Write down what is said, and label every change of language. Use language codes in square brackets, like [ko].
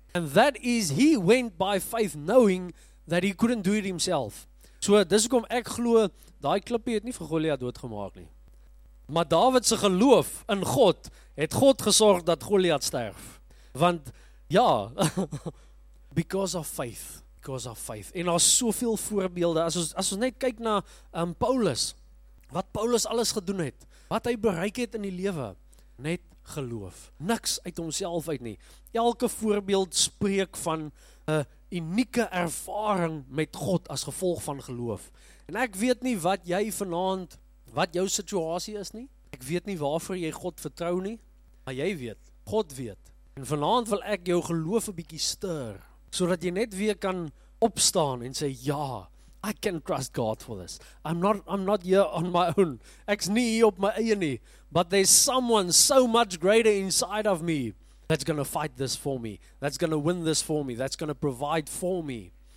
[en] And that is, he went by faith knowing that he couldn't do it himself. [af] So dis hoekom ek glo, daai klippie het nie vir Goliath doodgemaak nie. Maar David se geloof in God het God gesorg dat Goliath sterf. Want ja, [en] because of faith. [af] En daar's soveel voorbeelde. As ons net kyk na Paulus, wat Paulus alles gedoen het, wat hy bereik het in die lewe, net geloof. Niks uit homself uit nie. Elke voorbeeld spreek van 'n unieke ervaring met God as gevolg van geloof. En ek weet nie wat jy vanaand, wat jou situasie is nie. Ek weet nie waarvoor jy God vertrou nie, maar jy weet, God weet. En vanaand wil ek jou geloof 'n bietjie stir, sodat jy net weer kan opstaan en sê, ja, [en] I can trust God for this. I'm not here on my own. [af] Ek's nie hier op my eie nie, [en] but there's someone so much greater inside of me that's going to fight this for me, that's going to win this for me, that's going to provide for me.